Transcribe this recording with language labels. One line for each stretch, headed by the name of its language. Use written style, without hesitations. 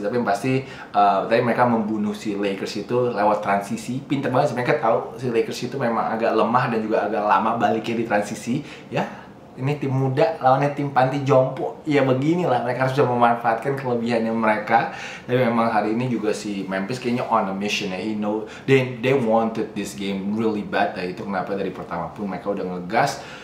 Indonesian: Tapi yang pasti, tadi mereka membunuh si Lakers itu lewat transisi. Pinter banget sih. Mereka tahu si Lakers itu memang agak lemah dan juga agak lama baliknya di transisi. Ya. Ini tim muda lawannya tim panti jompo. Ya beginilah, mereka harus bisa memanfaatkan kelebihannya mereka. Tapi memang hari ini juga si Memphis kayaknya
English: on a mission
Indonesian: ya.
English: He know they wanted this game really bad.
Indonesian: Nah, itu kenapa dari pertama pun mereka udah ngegas.